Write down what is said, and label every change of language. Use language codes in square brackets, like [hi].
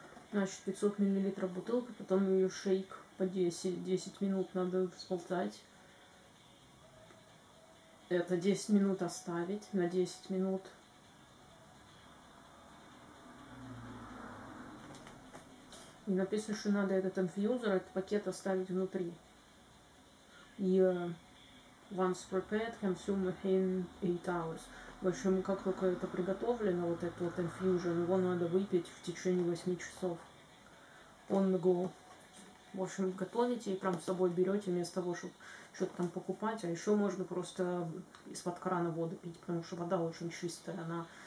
[ru] Значит, 500 миллилитров бутылка, потом ее шейк по 10 минут надо сболтать. Это 10 минут оставить на 10 минут. И написано, что надо этот инфьюзер, этот пакет оставить внутри. И... [en] Once prepared, consume within 8 hours. [ru] В общем, как только это приготовлено, вот этот вот infusion, его надо выпить в течение 8 часов. [en] On the go. [ru] В общем, готовите и прям с собой берете, вместо того, чтобы что-то там покупать. А еще можно просто из-под крана воду пить, потому что вода очень чистая. Она